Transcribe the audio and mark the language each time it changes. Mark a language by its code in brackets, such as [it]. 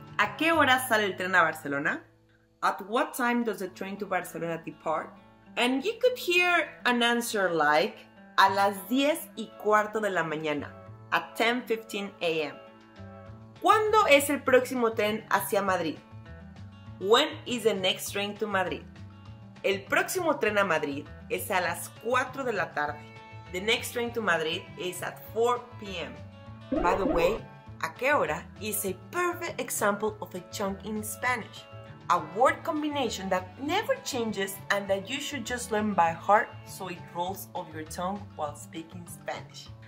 [es] ¿A qué hora sale el tren a Barcelona? [en] At what time does the train to Barcelona depart? And you could hear an answer like, [es] a las 10:15 de la mañana, [en] at 10:15 a.m. [es] ¿Cuándo es el próximo tren hacia Madrid? [en] When is the next train to Madrid? [es] El próximo tren a Madrid es a las 4 de la tarde. [en] The next train to Madrid is at 4 p.m. By the way, [es] ¿a qué hora? [en] Is a perfect example of a chunk in Spanish. A word combination that never changes and that you should just learn by heart so it rolls off your tongue while speaking Spanish.